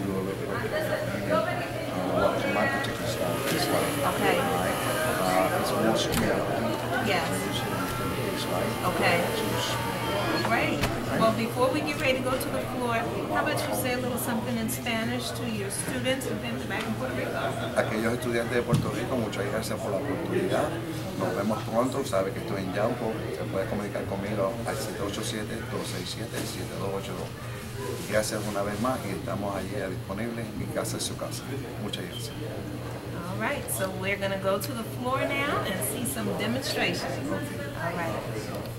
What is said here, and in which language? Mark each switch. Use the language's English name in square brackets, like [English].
[English] to do a little bit of my particular style is fine. Okay. It's more strength. Yes. Okay. Great. Well, before we get ready to go to the floor, how about you say a little something in Spanish to your students and family back in Puerto Rico? [Spanish] Aquellos estudiantes de Puerto Rico, muchas gracias por la oportunidad. Nos vemos pronto. Sabe que estoy en Yauco. Se puede comunicar conmigo al 787-267-7282. Gracias una vez más y estamos allí disponibles. Mi casa es su casa. Muchas gracias. [English] All right, so we're going to go to the floor now and see some demonstrations. All right.